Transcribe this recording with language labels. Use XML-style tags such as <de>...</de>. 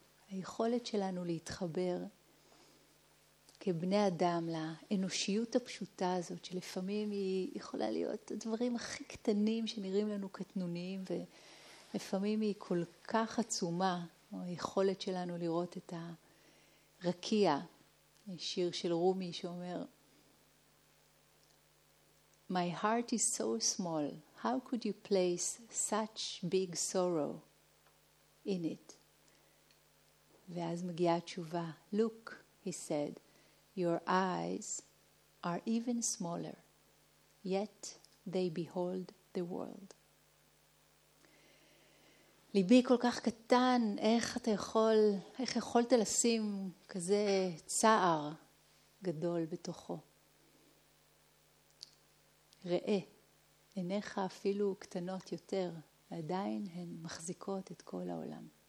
<he>היכולת שלנו להתחבר כבני אדם לאנושיות הפשוטה הזאת, שלפעמים היא יכולה להיות הדברים הכי קטנים שנראים לנו קטנוניים, ולפעמים היא כל כך עצומה, או היכולת שלנו לראות את הרקיע. שיר של רומי שאומר,</he> <en>My heart is so small. How could you place such big sorrow in it?</en> <he>ואז מגיעה התשובה.</he> <en>Look, he said, your eyes are even smaller, yet they behold the world.</en> <he>ליבי כל כך קטן, איך יכולת לשים כזה צער גדול בתוכו? ראה, עיניך אפילו קטנות יותר, עדיין הן מחזיקות את כל העולם.</he>